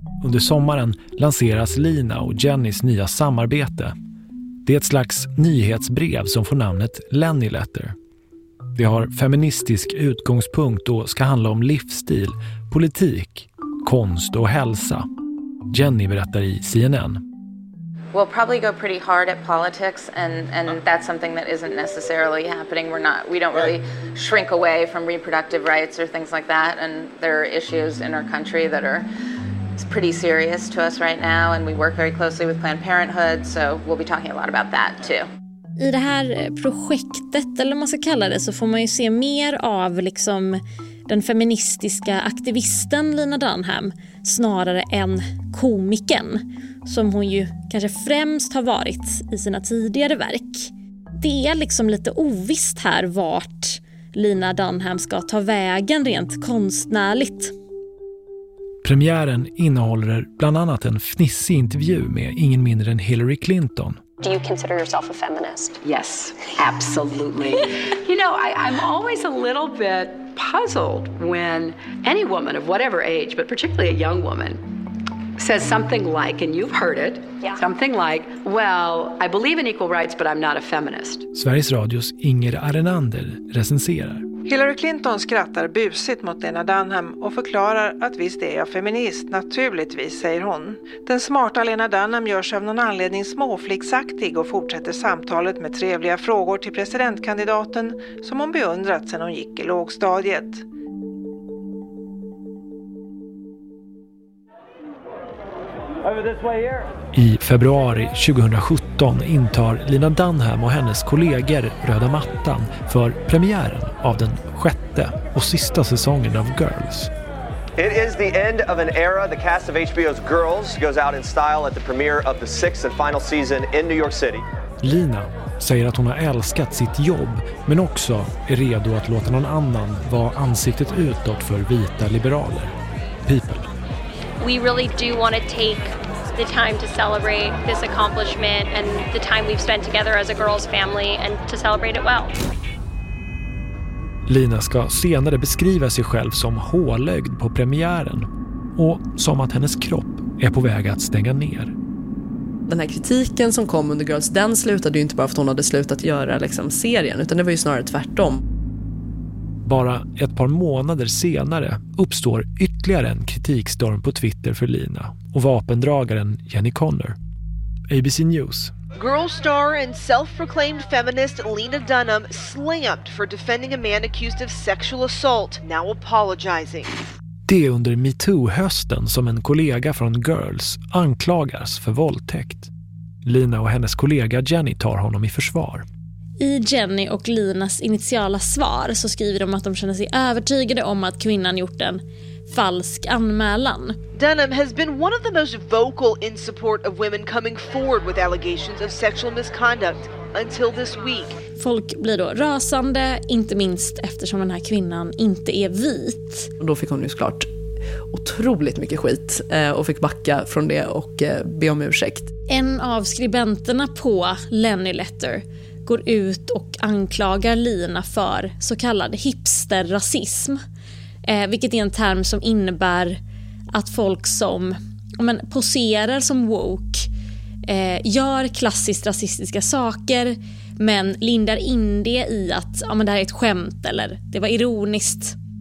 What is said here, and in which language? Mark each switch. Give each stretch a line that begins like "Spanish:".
Swedish: Under sommaren lanseras Lina och Jennys nya samarbete. Det är ett slags nyhetsbrev som får namnet Lenny Letter. Det har feministisk utgångspunkt och ska handla om livsstil, politik, konst och hälsa. Jenny berättar i CNN.
English: We'll probably go pretty hard at politics and that's something that isn't necessarily happening. We don't really shrink away from reproductive rights or things like that, and there are issues in our country that are pretty serious to us right now, and we work very closely with Planned Parenthood, so we'll be talking a lot about that too.
Swedish: I det här projektet, eller vad man ska kalla det, så får man ju se mer av liksom den feministiska aktivisten Lina Dunham snarare än komikern, som hon ju kanske främst har varit i sina tidigare verk. Det är liksom lite ovisst här vart Lina Dunham ska ta vägen rent konstnärligt. Premiären innehåller bland annat en fnissig intervju med ingen mindre än Hillary Clinton.
English: Do you consider yourself a feminist? Yes, absolutely. You know, I'm always a little bit puzzled when any woman of whatever age, but particularly a young woman, says something like, and you've heard it, yeah, something like, well, I believe in equal rights, but I'm not a feminist.
Swedish: Sveriges Radios Inger Arenander recenserar. Hillary Clinton skrattar busigt mot Lena Dunham och förklarar att visst är jag feminist, naturligtvis, säger hon. Den smarta Lena Dunham gör sig av någon anledning småflicksaktig och fortsätter samtalet med trevliga frågor till presidentkandidaten som hon beundrat sedan hon gick i lågstadiet. I februari 2017 intar Lina Dunham och hennes kollegor röda mattan för premiären av den sjätte och sista säsongen av Girls.
English: It is the end of an era. The cast of HBO's Girls goes out in style at the premiere of the sixth and final season in New York City.
Swedish: Lina säger att hon har älskat sitt jobb, men också är redo att låta någon annan vara ansiktet utåt för vita liberaler.
English: People. We really do want to take the time to celebrate this accomplishment and the time we've spent together as a girls family and to celebrate it well.
Swedish: Lina ska senare beskriva sig själv som hålögd på premiären och som att hennes kropp är på väg att stänga ner. Den här kritiken som kom under Girls, den slutade ju inte bara för att hon hade slutat göra liksom serien, utan det var ju snarare tvärtom. Bara ett par månader senare uppstår ytterligare en kritikstorm på Twitter för Lina och vapendragaren Jenny Connor.
English: ABC News. Girl star and self-proclaimed feminist Lena Dunham slammed for defending a man accused of sexual assault, now apologizing.
Swedish: Det är under MeToo-hösten som en kollega från Girls anklagas för våldtäkt. Lina och hennes kollega Jenny tar honom i försvar. I Jenny och Linas initiala svar så skriver de att de känner sig övertygade om att kvinnan gjort en falsk anmälan.
English: Dunham has been one of the most vocal in support of women coming forward with allegations of sexual misconduct until this week.
Swedish: Folk blir då rasande, inte minst eftersom den här kvinnan inte är vit. Och då fick hon ju såklart otroligt mycket skit och fick backa från det och be om ursäkt. En av skribenterna på Lenny Letter går ut och anklagar Lina för så kallad hipsterrasism, vilket är en term som innebär att folk som poserar som woke gör klassiskt rasistiska saker men lindar in det i att det här är ett skämt eller det var ironiskt.